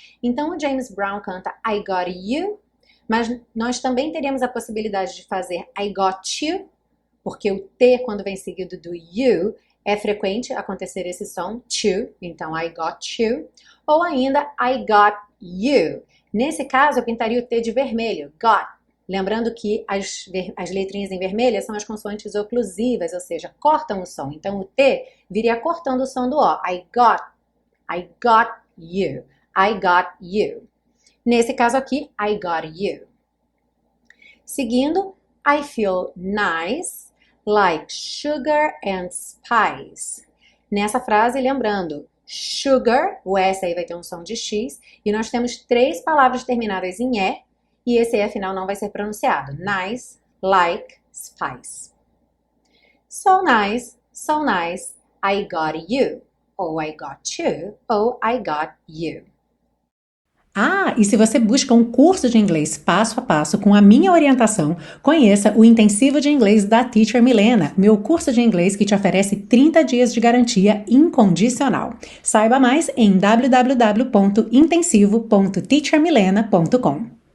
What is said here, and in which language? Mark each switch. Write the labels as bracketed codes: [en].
[pt] Então o James Brown canta [en] I got you, [pt] mas nós também teríamos a possibilidade de fazer I got you, porque o T quando vem seguido do you é frequente acontecer esse som to, então I got you, ou ainda I got you. Nesse caso, eu pintaria o T de vermelho, got. Lembrando que as letrinhas em vermelho são as consoantes oclusivas, ou seja, cortam o som. Então, o T viria cortando o som do O. [en] I got you, I got you. [pt] Nesse caso aqui, [en] I got you. [pt] Seguindo, [en] I feel nice, like sugar and spice. [pt] Nessa frase, lembrando, sugar, o S aí vai ter um som de X, e nós temos três palavras terminadas em E, e esse E final não vai ser pronunciado. [en] Nice, like, spice. So nice, I got you, [pt] ou [en] I got you, ou I got you. [pt] Ah, e se você busca um curso de inglês passo a passo com a minha orientação, conheça o Intensivo de Inglês da Teacher Milena, meu curso de inglês que te oferece 30 dias de garantia incondicional. Saiba mais em www.intensivo.teachermilena.com.